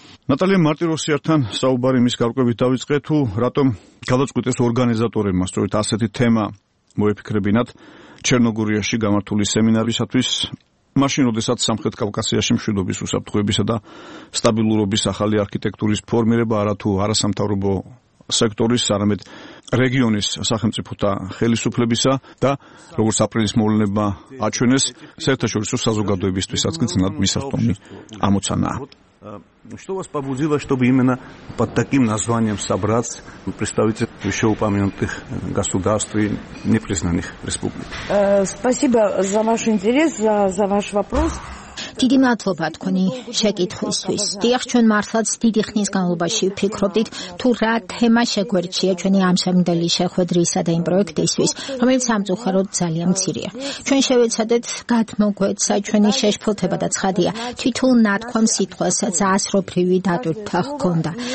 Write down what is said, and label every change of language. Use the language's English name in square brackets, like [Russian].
[Georgian] ნატალია მარტიროსიართან საუბარი მის გარკვევით დავიწყე, თუ რატომ გადაწყვიტეს ორგანიზატორებმა სწორედ ასეთი თემა მოეფიქრებინათ ჩერნოგორიაში გამართული სემინარისათვის, მაშინ როდესაც სამხრეთ კავკასიაში მშვიდობის, უსაფრთხოებისა და სტაბილურობის ახალი არქიტექტურის ფორმირება არათუ არასამთავრობო სექტორის, არამედ რეგიონის სახელმწიფოთა ხელისუფლებისა და, როგორც აპრილის მოვლენებმა აჩვენეს, საერთაშორისო საზოგადოებისთვისაც კი ძნელად მისასტომი ამოცანაა. [Russian] Что вас побудило, чтобы именно под таким названием собраться представители еще упомянутых государств и непризнанных республик? Спасибо за ваш интерес, за ваш вопрос. [Georgian] დიდი მადლობა თქვენი შეკითხვისთვის. დიახ, ჩვენ მართლაც დიდი ხნის განმავლობაში ვფიქრობდით, თუ რა თემა შეგვერჩია ჩვენი ამჟამინდელი შეხვედრისა და იმ პროექტისთვის, რომელიც სამწუხაროდ ძალიან მცირეა. ჩვენ შევეცადეთ გადმოგვეცა ჩვენი შეშფოთება და ცხადია, თითოეულ ნათქვამ სიტყვასაც ასრობრივი დატვირთვა ჰქონდა.